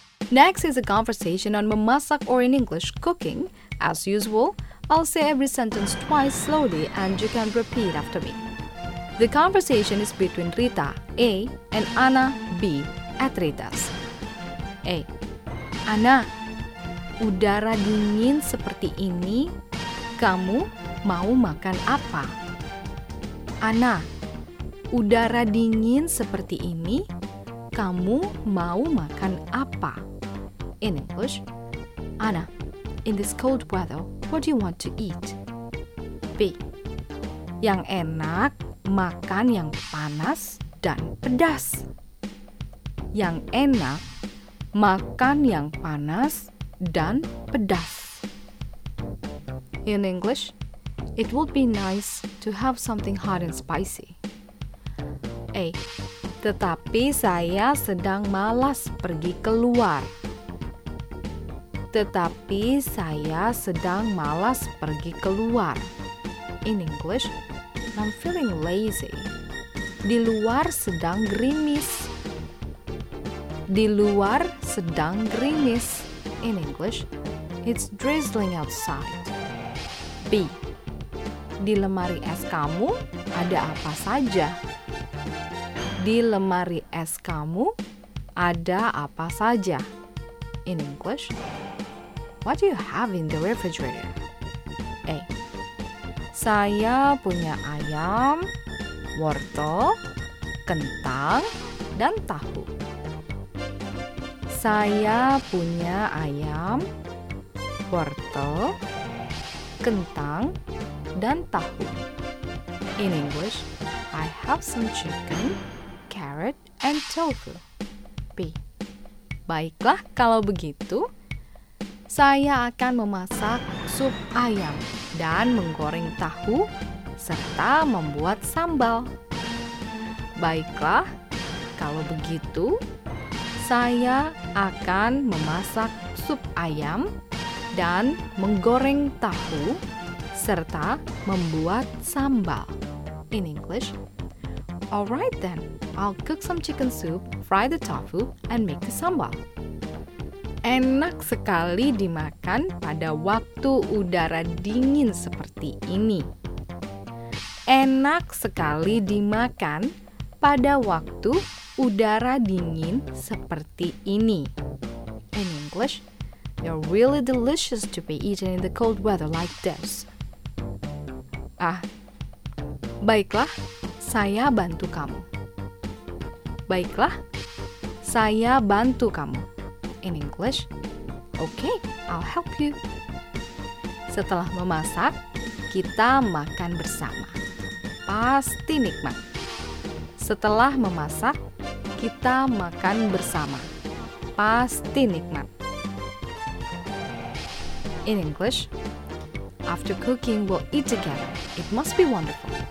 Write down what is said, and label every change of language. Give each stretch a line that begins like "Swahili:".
English: Next is a conversation on memasak, or in English, cooking. As usual, I'll say every sentence twice slowly and you can repeat after me. The conversation is between Rita, A, and Ana, B, at Rita's. A.
Indonesian: Ana, udara dingin seperti ini, kamu mau makan apa? Ana, udara dingin seperti ini, kamu mau makan apa?
English: In English, Ana, in this cold weather, what do you want to eat? B.
Indonesian: Yang enak, makan yang panas dan pedas. Yang enak, makan yang panas dan pedas.
English: In English, it would be nice to have something hot and spicy. A.
Indonesian: Tetapi saya sedang malas pergi keluar. Tetapi saya sedang malas pergi keluar.
English: In English, I'm feeling lazy.
Indonesian: Di luar sedang gerimis. Di luar sedang gerimis.
English: In English, it's drizzling outside. B.
Indonesian: Di lemari es kamu ada apa saja? Di lemari es kamu ada apa saja?
English: In English, what do you have in the refrigerator?
Indonesian: A. Saya punya ayam, wortel, kentang, dan tahu. Saya punya ayam, wortel, kentang, dan tahu.
English: In English, I have some chicken, carrot, and tofu.
Indonesian: B. Baiklah, kalau begitu, saya akan memasak sup ayam dan menggoreng tahu serta membuat sambal. Baiklah, kalau begitu, saya akan memasak sup ayam dan menggoreng tahu serta membuat sambal.
English: In English, alright then, I'll cook some chicken soup, fry the tofu, and make the sambal.
Indonesian: Enak sekali dimakan pada waktu udara dingin seperti ini. Enak sekali dimakan pada waktu udara dingin seperti ini.
English: In English, they're really delicious to be eaten in the cold weather like this.
Indonesian: Ah, baiklah, saya bantu kamu. Baiklah, saya bantu kamu.
English: In English, okay, I'll help you.
Indonesian: Setelah memasak, kita makan bersama. Pasti nikmat. Setelah memasak, kita makan bersama. Pasti nikmat.
English: In English, after cooking, we'll eat together. It must be wonderful.